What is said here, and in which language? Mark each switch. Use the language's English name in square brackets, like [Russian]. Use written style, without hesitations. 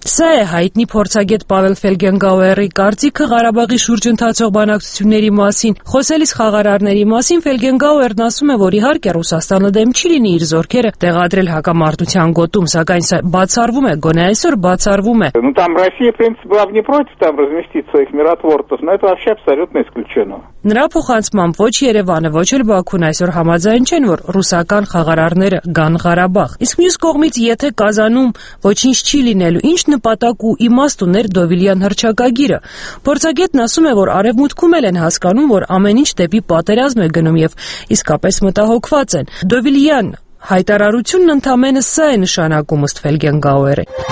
[Armenian] Սա է հայտնի փորձագետ Պավել Ֆելգենգաուերի կարծիքը Ղարաբաղի շուրջ ընթացող բանակցությունների մասին։ Խոսելիս խաղարարների մասին Ֆելգենգաուերն ասում է, որ իհարկե Ռուսաստանը դեմ չի լինի իր զորքերը տեղադրել հակամարտության գոտում, սակայն սա բացառվում է, գոնե այսօր բացառվում է։ [Russian] Ну там Россия, в принципе, была бы не против там разместить своих миротворцев, но это вообще абсолютно исключено. [Armenian] Նրա փոխանցմամբ ոչ Երևանը, ոչ էլ Բաքուն այսօր համաձայն չեն, որ ռուսական խաղարարները գան Ղարաբաղ։ Իսկ մյուս կողմից, եթե Կազանում ոչինչ չի լինելու, ի՞նչ նպատակ ու իմաստ ուներ Դովիլյան հրճակագիրը։ Փորձագետն ասում է, որ արևմուտքում էլ են հասկանում, որ ամեն ինչ դեպի պատերազմ է գնում, և իսկապես մտահոգված են։ Դովիլյան հայտարարությունն ընդամենը սա է նշանակում, ըստ Ֆելգենգաուերի։